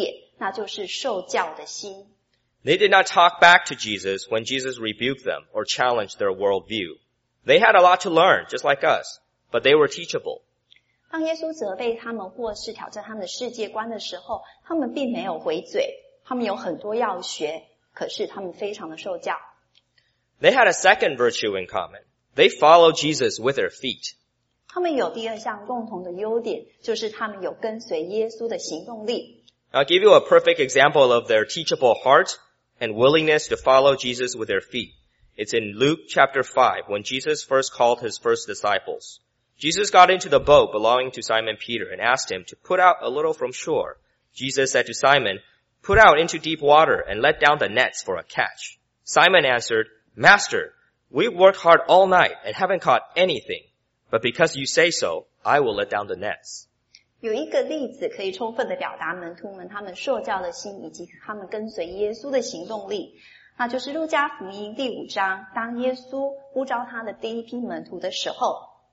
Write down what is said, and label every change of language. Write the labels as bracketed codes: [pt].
[zh] 耶稣的第一批门徒并不是都了解耶稣的教导，他们常常犯错，且他们值得主的责备。可是我发现他们全都有一项共同很美好的共同点，那就是受教的心。 [en] They did not talk back to Jesus when Jesus rebuked them or challenged their worldview. They had a lot to learn, just like us, but they were teachable. [zh] 当耶稣责备他们或是挑战他们的世界观的时候，他们并没有回嘴。他们有很多要学，可是他们非常的受教。 [en] They had a second virtue in common. They followed Jesus with their feet. [zh] 他们有第二项共同的优点，就是他们有跟随耶稣的行动力。 [en] I'll give you a perfect example of their teachable heart and willingness to follow Jesus with their feet. It's in Luke chapter 5 when Jesus first called his first disciples. Jesus got into the boat belonging to Simon Peter and asked him to put out a little from shore. Jesus said to Simon, put out into deep water and let down the nets for a catch. Simon answered, Master, we worked hard all night and haven't caught anything, but because you say so, I will let down the nets. [zh] 有一个例子可以充分地表达门徒们他们受教的心以及他们跟随耶稣的行动力，那就是路加福音第5章，当耶稣呼召他的第一批门徒的时候。